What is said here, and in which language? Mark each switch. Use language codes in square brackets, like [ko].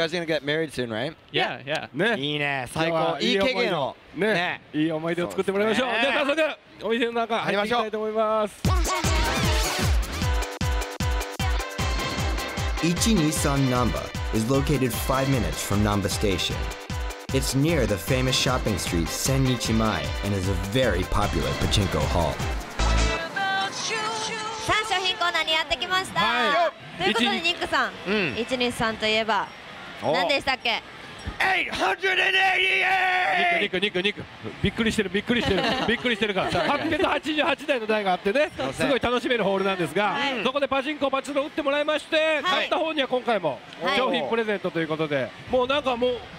[en] guys gonna get married soon, right? Yeah, yeah. [ja] いいね、最高、いい経験の、いい思い出を作ってもらいましょう。じゃあ早速、お店の中入りたいと思います。123 [en] Namba is located 5 minutes from Namba Station. It's near the famous shopping street Senichimai and is a very popular pachinko hall. [ja] さあ、商品コーナーにやってきました。ということで、ニックさん、123といえば、何でしたっけ? 888円。びっくりしてる、びっくりしてる。888台の台があってね、すごい楽しめるホールなんですが、そこでパチンコパチンコ打ってもらいまして、買った方には今回も商品プレゼントということで、もうなんかもう、